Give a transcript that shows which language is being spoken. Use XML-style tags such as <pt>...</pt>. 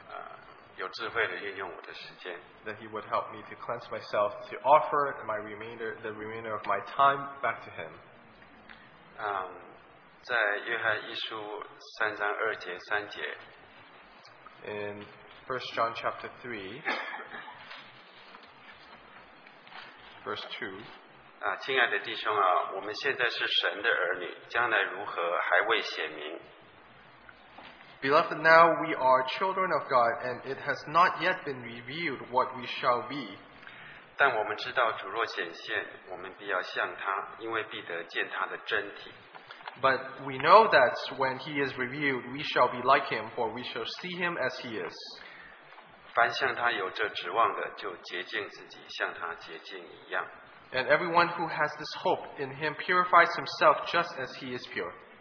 <zh>而且求主帮助我接近我自己，能够接下来把时间能够有智慧的运用我的时间。</zh> <en>That he would help me to cleanse myself to offer the remainder of my time back to him.</en> <zh>在约翰一书三章二节三节。</zh> <en>In 1 John chapter 3, verse 2.</en> <zh>亲爱的弟兄啊，我们现在是神的儿女，将来如何还未显明。</zh> <en>Beloved, now we are children of God, and it has not yet been revealed what we shall be.</en> <zh>但我们知道主若显现，我们必要像他，因为必得见他的真体。</zh> <en>But we know that when he is revealed, we shall be like him, for we shall see him as he is.</en> <zh>凡向他有这指望的，就洁净自己，像他洁净一样。And</zh> <en>everyone who has this hope in him purifies himself just as he is pure.</en>